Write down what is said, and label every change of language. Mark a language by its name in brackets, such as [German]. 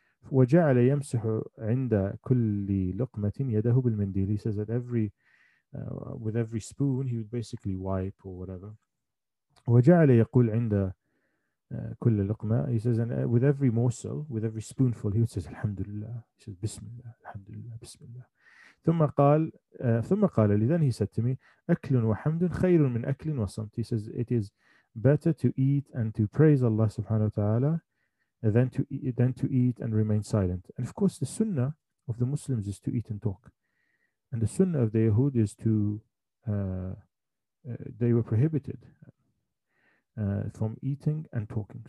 [Arabic] وجعل يمسح عند كل لقمة يده بالمنديل. [English] He says that with every spoon, he would basically wipe or whatever. [Arabic] وجعل يقول عند كل لقمة. [English] He says, and with every morsel, with every spoonful, he would say, Alhamdulillah. He says, Bismillah, Alhamdulillah, Bismillah. Then he said to me, [Arabic] أكل وحمد خير من أكل وصمت. [English] He says, it is better to eat and to praise Allah subhanahu wa ta'ala than to eat and remain silent. And of course, the sunnah of the Muslims is to eat and talk. And the sunnah of the Yahud is to, they were prohibited from eating and talking.